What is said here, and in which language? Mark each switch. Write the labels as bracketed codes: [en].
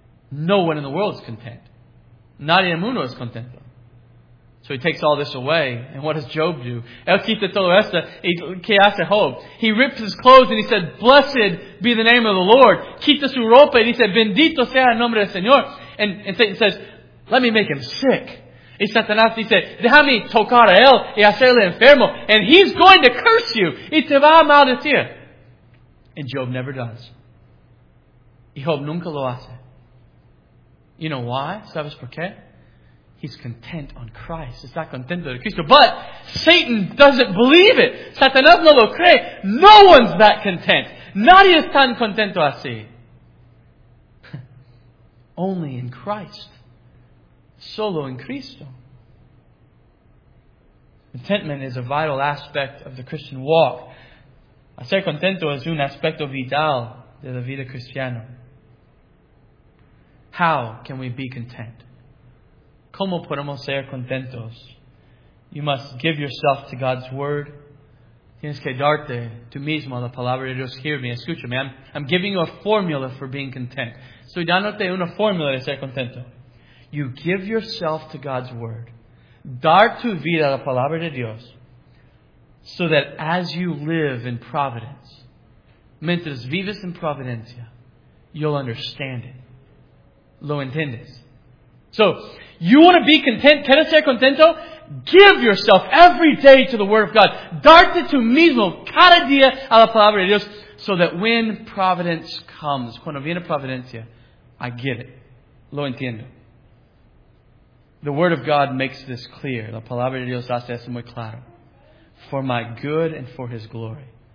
[en] No one in the world is content. [es] Nadie en el mundo es contento. [en] So he takes all this away. And what does Job do? [es] El quita todo esto. ¿Qué hace Job? [en] He rips his clothes and he said, blessed be the name of the Lord. [es] Quita su ropa. [en] And he said, [es] bendito sea el nombre del Señor. [en] And Satan says, let me make him sick. [es] Y Satanás dice, déjame tocar a él y hacerle enfermo. [en] And he's going to curse you. [es] Y te va a maldecir. [en] And Job never does. [es] Y Job nunca lo hace. [en] You know why? [es] ¿Sabes por qué? [en] He's content on Christ. He's not content with Christ. But Satan doesn't believe it. [es] Satanás no lo cree. [en] No one's that content. [es] Nadie es tan contento así. [en] Only in Christ. [es] Solo en Cristo. [en] Contentment is a vital aspect of the Christian walk. [es] Ser contento es un aspecto vital de la vida cristiana. [en] How can we be content? [es] ¿Cómo podemos ser contentos? [en] You must give yourself to God's Word. [es] Tienes que darte tú mismo la palabra de Dios. [en] Hear me, escúchame. I'm giving you a formula for being content. [es] Estoy dándote una formula de ser contento. [en] You give yourself to God's Word. [es] Dar tu vida a la palabra de Dios. [en] So that as you live in providence, [es] mientras vives en providencia, [en] you'll understand it. [es] Lo entiendes. [en] So, you want to be content? [es] ¿Quieres ser contento? [en] Give yourself every day to the Word of God. [es] Darte tú mismo cada día a la Palabra de Dios. [en] So that when providence comes, [es] cuando viene providencia, [en] I get it. [es] Lo entiendo. [en] The Word of God makes this clear. [es] La Palabra de Dios hace esto muy claro. [en] For my good and for His glory.